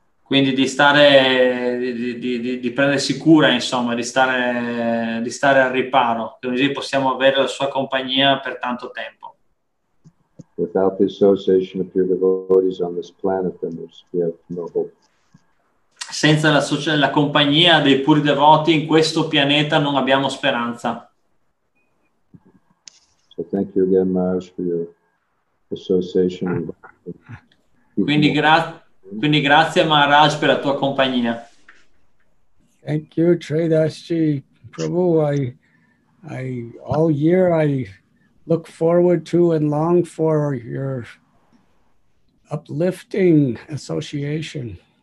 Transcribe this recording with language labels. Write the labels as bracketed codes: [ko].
[it] Quindi di stare, di prendersi cura, insomma, di stare al riparo. Così possiamo avere la sua compagnia per tanto tempo. [en] Without the association of pure devotees on this planet, then we have no hope. [it] Senza la compagnia dei puri devoti in questo pianeta non abbiamo speranza. [en] So thank you again, Maharaj, for your association. [it] Quindi grazie Maharaj per la tua compagnia. [en] Thank you, Tridashi Prabhu. I all year I look forward to and long for your uplifting association.